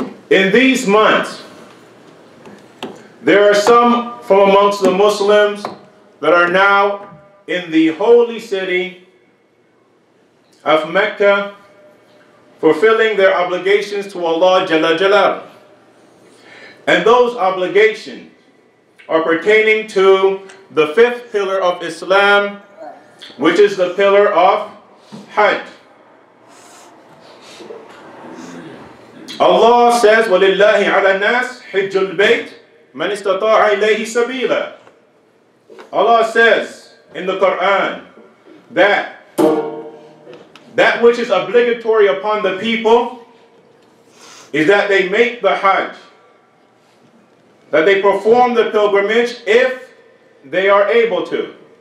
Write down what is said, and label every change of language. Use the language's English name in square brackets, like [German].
[English] In these months, there are some from amongst the Muslims that are now in the holy city of Mecca, fulfilling their obligations to Allah Jalla Jalla. And those obligations are pertaining to the fifth pillar of Islam, which is the pillar of Hajj. Allah says, [Arabic] وَلِلَّهِ عَلَى النَّاسِ حِجُّ الْبَيْتِ مَنْ اسْتَطَاعَ إِلَيْهِ سَبِيلًا. [English] Allah says in the Quran that which is obligatory upon the people is that they make the Hajj, that they perform the pilgrimage if they are able to.